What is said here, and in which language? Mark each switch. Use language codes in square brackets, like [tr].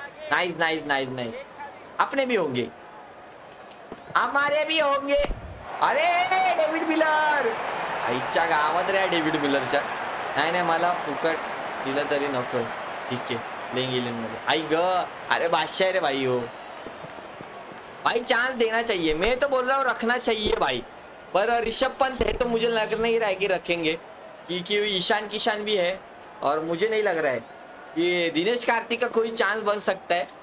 [hi] Nice nice nice nice, अपने भी होंगे, हमारे भी होंगे। [mr] अरे डेविड मिलर आईचा गावत रे, डेविड मिलर चा नाही नाही मला फुकट दिलं तरी नको, ठीक आहे प्लेइंग 11 मध्ये। [hi] आई ग, अरे बादशाह रे भाई, हो भाई चांस देना चाहिए, मैं तो बोल रहा हूँ रखना चाहिए भाई, पर ऋषभ पंत है तो मुझे लग नहीं रहा है कि रखेंगे, क्योंकि ईशान किशन भी है और मुझे नहीं लग रहा है कि दिनेश कार्तिक का कोई चांस बन सकता है।